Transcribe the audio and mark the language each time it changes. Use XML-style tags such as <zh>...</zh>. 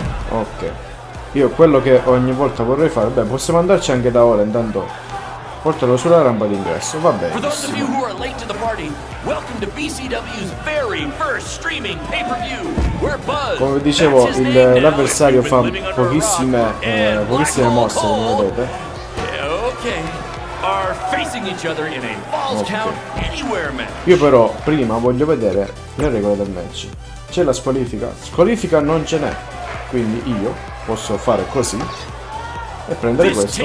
<it>Ok. Io quello che ogni volta vorrei fare, beh, possiamo andarci anche da ora intanto. Portalo sulla rampa d'ingresso, va bene.</it> <en>For those of you who are late to the party, welcome to BCW's very first streaming pay-per-view. We're Buzz.</en> <it>Come dicevo, l'avversario fa pochissime mosse, come vedete.</it> <en>Okay. Are facing each other in a false count anywhere match.</en> <it>Io però prima voglio vedere le regole del match. C'è la squalifica? Squalifica non ce n'è. Quindi io posso fare così. E prendere questo.</it>